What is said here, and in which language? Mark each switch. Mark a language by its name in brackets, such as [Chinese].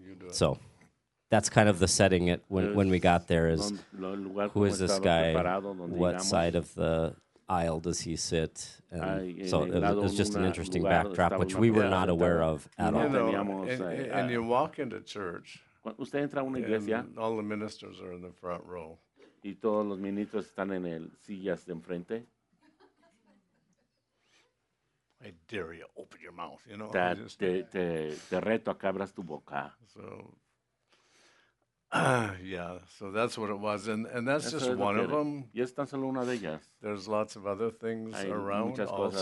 [English] So that's kind of the setting it when we got there is, who is this guy? What side of the aisle does he sit? And so it was just an interesting backdrop, which we were not aware of at all. You know, and you walk into church, [Spanish] usted entra a una iglesia, [English] and all the ministers are in the front row. [Spanish] Y todos los ministros están en el sillas de enfrente. [English] I dare you, open your mouth, you know. [Spanish] Te reto a que abras tu boca. [English] So, yeah, so that's what it was. And that's [Spanish] eso [English] just one of them. [Spanish] Y es tan solo una de ellas. [English] There's lots of other things [Spanish] hay [English] around [Spanish] muchas cosas,